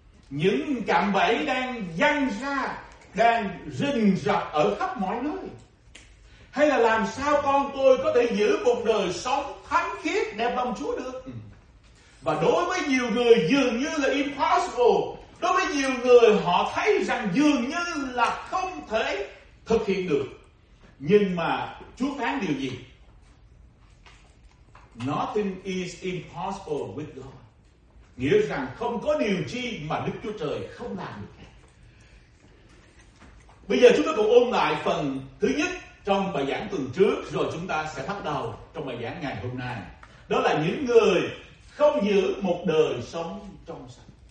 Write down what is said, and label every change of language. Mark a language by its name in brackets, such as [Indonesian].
[Vietnamese] những cạm bẫy đang giăng ra, đang rình rập ở khắp mọi nơi, hay là làm sao con tôi có thể giữ một đời sống thánh khiết đẹp lòng Chúa được. Và đối với nhiều người dường như là impossible, đối với nhiều người họ thấy rằng dường như là không thể thực hiện được. Nhưng mà Chúa phán điều gì? [English] Nothing is impossible with God. [Vietnamese] Nghĩa rằng không có điều chi mà Đức Chúa Trời không làm được. Bây giờ chúng ta cùng ôn lại phần thứ nhất trong bài giảng tuần trước, rồi chúng ta sẽ bắt đầu trong bài giảng ngày hôm nay. Đó là những người không giữ một đời sống trong sạch.